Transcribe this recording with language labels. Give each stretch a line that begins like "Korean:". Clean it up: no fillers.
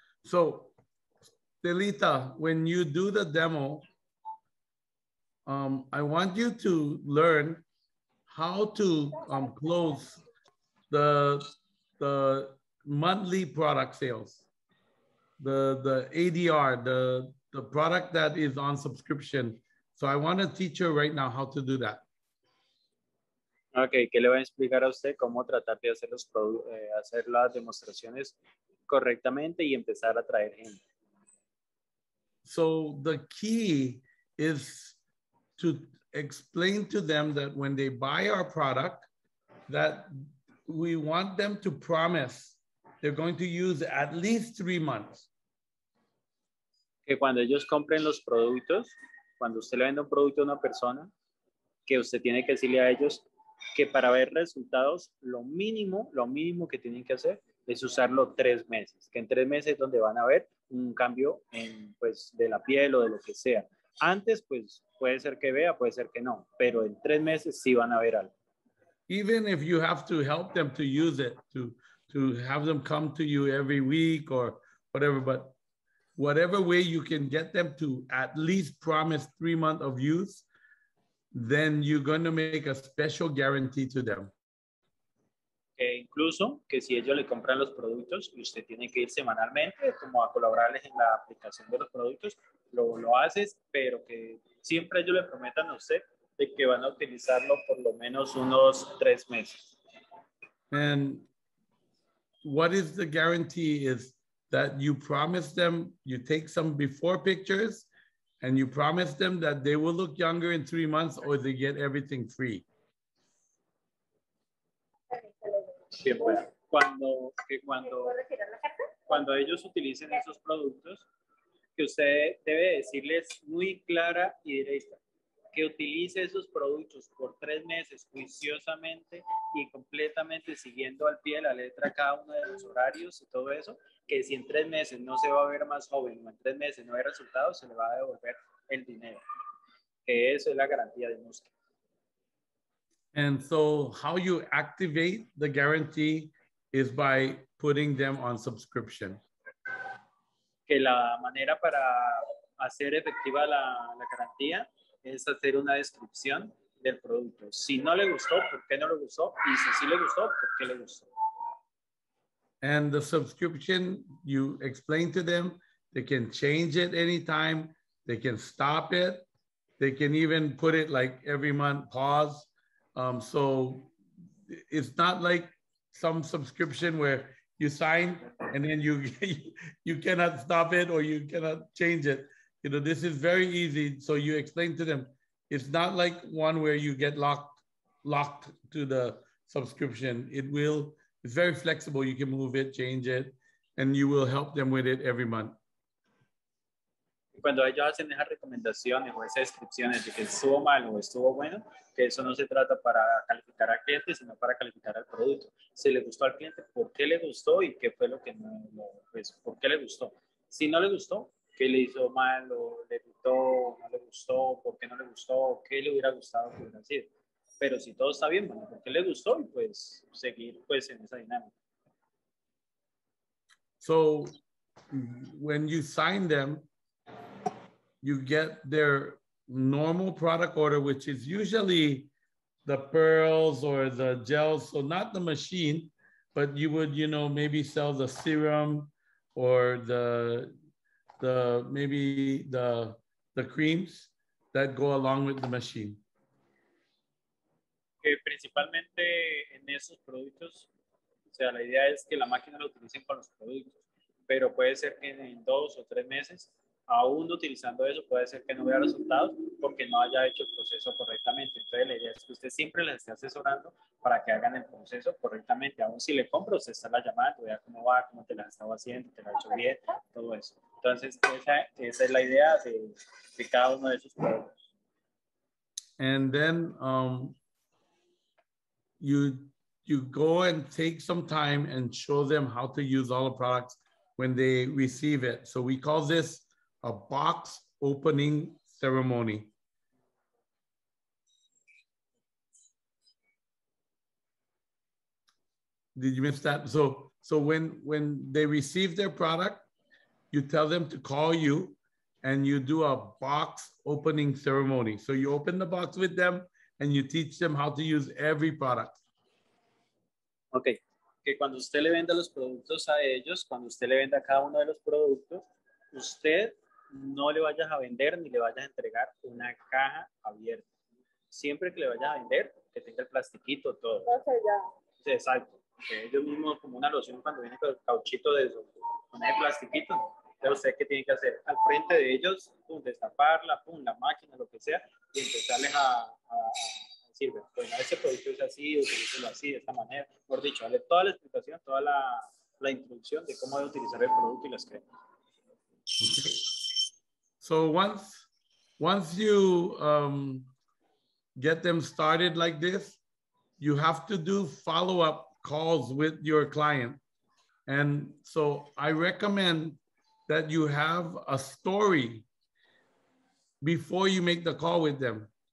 English: So, Estelita, when you do the demo, I want you to learn how to close the monthly product sales, the ADR, the product that is on subscription. So I want to teach you right now how to do that.
Spanish: Okay, que le voy a explicar a usted cómo tratar de hacer los hacer las demostraciones correctamente y empezar a traer gente.
English: So the key is to explain to them that when they buy our product, that we want them to promise they're going to use at least 3 months.
Spanish: Que cuando ellos compren los productos, cuando usted le vende un producto a una persona, que usted tiene que decirle a ellos que para ver resultados, lo mínimo que tienen que hacer es usarlo 3 meses. Que en 3 meses es donde van a ver un cambio en, pues, de la piel o de lo que sea. Antes, pues, puede ser que vea, puede ser que no, pero en 3 meses sí van a ver algo.
English: Even if you have to help them to use it, to have them come to you every week or whatever, but whatever way you can get them to at least promise 3 months of use, then you're going to make a special guarantee to them.
Spanish: E incluso que si ellos le compran los productos y usted tiene que ir semanalmente como a colaborarles en la aplicación de los productos, lo haces, pero que siempre ellos le prometan a usted de que van a utilizarlo por lo menos unos 3 meses.
English: And what is the guarantee is that you promise them, you take some before pictures and you promise them that they will look younger in 3 months or they get everything free.
Spanish: Bien, pues, cuando ellos utilicen esos productos, que usted debe decirles muy clara y directa que utilice esos productos por 3 meses juiciosamente y completamente siguiendo al pie de la letra cada uno de los horarios y todo eso, que si en 3 meses no se va a ver más joven o en 3 meses no hay resultados, se le va a devolver el dinero. Que eso es la garantía de Musca.
English: And so how you activate the guarantee is by putting them on subscription.
Spanish: Que la manera para hacer efectiva la garantía es hacer una descripción del producto. Si no le gustó, ¿por qué no le gustó? Y si sí le gustó, ¿por qué le gustó?
English: And the subscription, you explain to them, they can change it anytime, they can stop it, they can even put it like every month, pause. So it's not like some subscription where you sign and then you cannot stop it or you cannot change it. You know, this is very easy. So you explain to them, it's not like one where you get locked to the subscription. It's very flexible. You can move it, change it, and you will help them with it every month.
Spanish: Cuando ellos hacen esas recomendaciones o esas descripciones de que estuvo mal o estuvo bueno, que eso no se trata para calificar al cliente, sino para calificar al producto. Si le gustó al cliente, ¿por qué le gustó y qué fue lo que no lo hizo? ¿Por qué le gustó? Si no le gustó, ¿qué le hizo mal o le gustó o no le gustó? ¿Por qué no le gustó? ¿Qué le hubiera gustado que hubiera sido? Pero si todo está bien, bueno, ¿por qué le gustó? Y pues seguir pues en esa dinámica.
English: So, when you sign them, you get their normal product order, which is usually the pearls or the gels. So not the machine, but you would, you know, maybe sell the serum or the creams that go along with the machine.
Spanish: Que principalmente en esos productos, o sea, la idea es que la máquina la utilicen con los productos, pero puede ser que en 2 o 3 meses. Aún utilizando eso, puede ser que no vea resultados porque no haya hecho el proceso correctamente. Entonces, la idea es que usted siempre les esté asesorando para que hagan el proceso correctamente. Aún si le compro, usted está la llamando, vea cómo va, cómo te la han estado haciendo, te la ha hecho bien, todo eso. Entonces, esa es la idea de cada uno de esos productos.
English: And then, you go and take some time and show them how to use all the products when they receive it. So, we call this a box opening ceremony. Did you miss that? So when they receive their product, you tell them to call you and you do a box opening ceremony. So you open the box with them and you teach them how to use every product. Okay.
Spanish: Que cuando usted le venda los productos a ellos, cuando usted le venda cada uno de los productos, usted no le vayas a vender ni le vayas a entregar una caja abierta. Siempre que le vayas a vender, que tenga el plastiquito todo. Okay, ya. Exacto. Ellos mismos, como una loción, cuando viene con el cauchito de eso, con el plastiquito, ya usted qué tiene que hacer. Al frente de ellos, pum, destaparla, pum, la máquina, lo que sea, y empezarles a decir, bueno, ese producto es así, utilícelo así, de esta manera. Por dicho, darle toda la explicación, toda la introducción de cómo debe utilizar el producto y las cremas.
English: So once you get them started like this, you have to do follow-up calls with your client. And so I recommend that you have a story before you make the call with them.